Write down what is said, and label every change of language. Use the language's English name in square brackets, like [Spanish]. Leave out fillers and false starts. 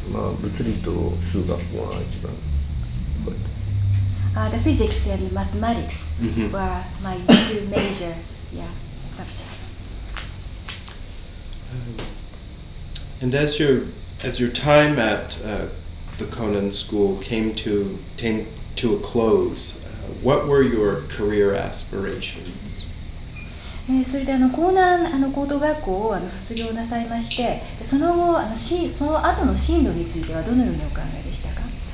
[Japanese] まあ、物理と数学は一番。 [English] The physics and mathematics were my two major subjects. And as your time at the Konan School came to a close, what were your career aspirations? [Japanese] それで Konan 高等学校を卒業なさいまして、その後その後の進路についてはどのようにお考えでしたか？